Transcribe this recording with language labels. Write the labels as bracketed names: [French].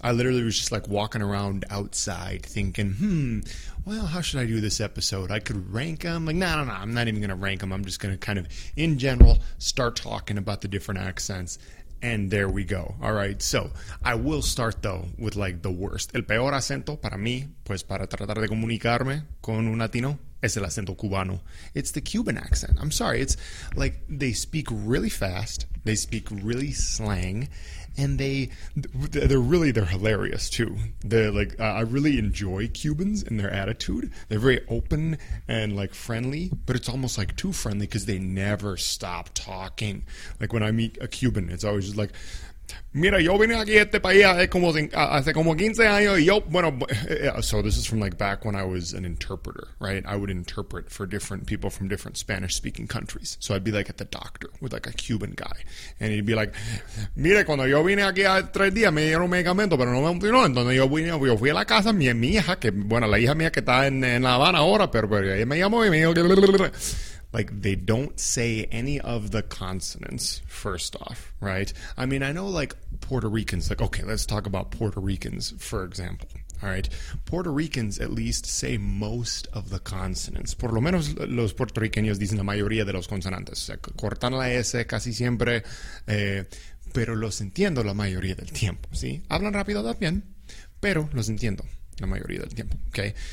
[English] I literally was just like walking around outside thinking, well, how should I do this episode? I could rank them. Like, no, I'm not even going to rank them. I'm just going to kind of, in general, start talking about the different accents. And there we go. All right. So I will start, though, with like the worst. [Spanish] El peor acento para mí, pues para tratar de comunicarme con un latino, es el acento cubano. [English] It's the Cuban accent. I'm sorry. It's like they speak really fast. They speak really slang. And they're hilarious, too. They're like, I really enjoy Cubans and their attitude. They're very open and like friendly, but it's almost like too friendly because they never stop talking. Like when I meet a Cuban, it's always just like, [Spanish] mira, yo vine aquí a este país hace como 15 años. Yo, bueno, [English] so this is from like back when I was an interpreter, right? I would interpret for different people from different Spanish-speaking countries. So I'd be like at the doctor with like a Cuban guy. And he'd be like, [Spanish] mira, cuando yo vine aquí a 3 días, me dieron medicamento, pero no me funcionó. Entonces yo fui a la casa, mi hija, que bueno, la hija mía que está en La Habana ahora, pero ella me llamó y me dijo que... [English] Like, they don't say any of the consonants, first off, right? I mean, I know, like, Puerto Ricans, like, okay, let's talk about Puerto Ricans, for example, all right? Puerto Ricans at least say most of the consonants. [Spanish] Por lo menos los puertorriqueños dicen la mayoría de los consonantes. Cortan la S casi siempre, pero los entiendo la mayoría del tiempo, ¿sí? Hablan rápido también, pero los entiendo la mayoría del tiempo, okay?